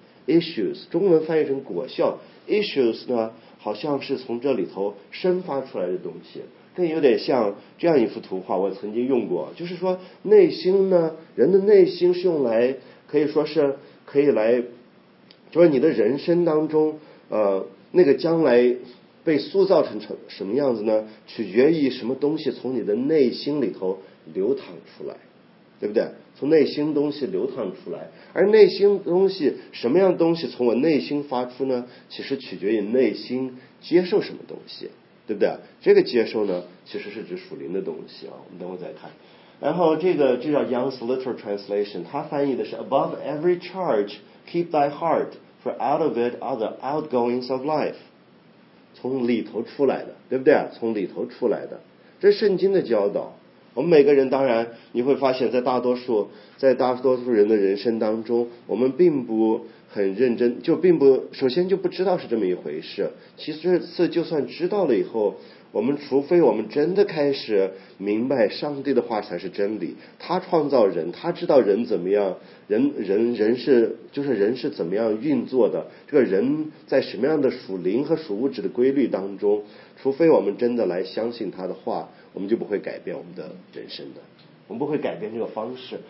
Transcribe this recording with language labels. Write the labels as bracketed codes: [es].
[zh] Issues 中文翻译成果效， issues 呢好像是从这里头生发出来的东西，更有点像这样一幅图画，我曾经用过，就是说内心呢，人的内心是用来可以说是可以来，就是你的人生当中那个将来被塑造成什么样子呢，取决于什么东西从你的内心里头流淌出来，对不对？从内心东西流淌出来，而内心东西什么样东西从我内心发出呢，其实取决于内心接受什么东西，对不对？这个接受呢其实是指属灵的东西啊，我们等会再看。然后这叫 [en] Young's Literal Translation， [zh] 它翻译的是 [en] Above every charge keep thy heart,For out of it are the outgoings of life. [zh] 从里头出来的，对不对？从里头出来的，这是圣经的教导。我们每个人当然你会发现在大多数人的人生当中，我们并不很认真，就并不首先就不知道是这么一回事。其次就算知道了以后，我们除非我们真的开始明白上帝的话才是真理，他创造人，他知道人怎么样，人是就是人是怎么样运作的，这个人在什么样的属灵和属物质的规律当中，除非我们真的来相信他的话，我们就不会改变我们的人生的，我们不会改变这个方式。